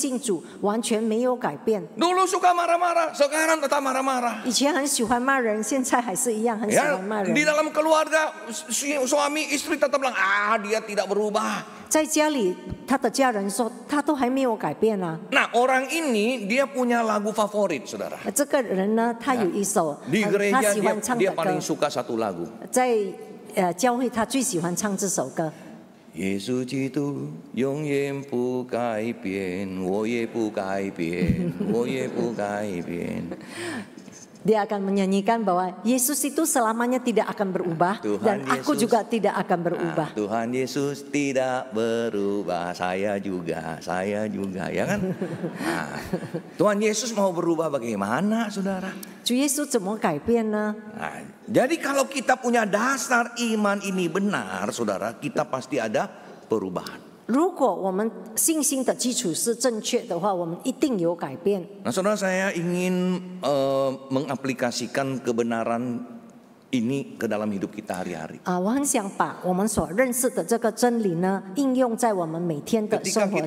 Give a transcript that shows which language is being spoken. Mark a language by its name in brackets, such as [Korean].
[Chinese] 有一些人他已经信主跟他还未信主完全没有改变。 [Indonesian] Dulu suka marah-marah, sekarang tetap marah-marah. [Chinese] 以前很喜欢骂人，现在还是一样很喜欢骂人。 [Indonesian] Di dalam keluarga, suami istri tetap bilang, ah dia tidak berubah. [Chinese] 在家里，他的家人说他都还没有改变啊。 [Indonesian] Nah, orang ini dia punya lagu favorit, saudara. [Chinese] 这个人呢，他有一首，他喜欢唱的歌。 [Indonesian] Di gereja dia paling suka satu lagu. [Chinese] 在教会他最喜欢唱这首歌。 Yesus Kristus, 永远不改变，我也不改变，我也不改变。 [Indonesian] Dia akan menyanyikan bahwa Yesus itu selamanya tidak akan berubah, Tuhan dan aku Yesus, juga tidak akan berubah. Tuhan Yesus tidak berubah, saya juga, ya kan? Tuhan Yesus mau berubah bagaimana, saudara? Tuhan Yesus semua kaipian. Jadi kalau kita punya dasar iman ini benar, saudara, kita pasti ada perubahan. [Chinese] 如果我们信心的基础是正确的话，我们一定有改变。 [Indonesian] Nah, saudara, saya ingin mengaplikasikan kebenaran ini ke dalam hidup kita hari-hari. [Chinese] 我很想把我们所认识的这个真理呢，应用在我们每天的生活中。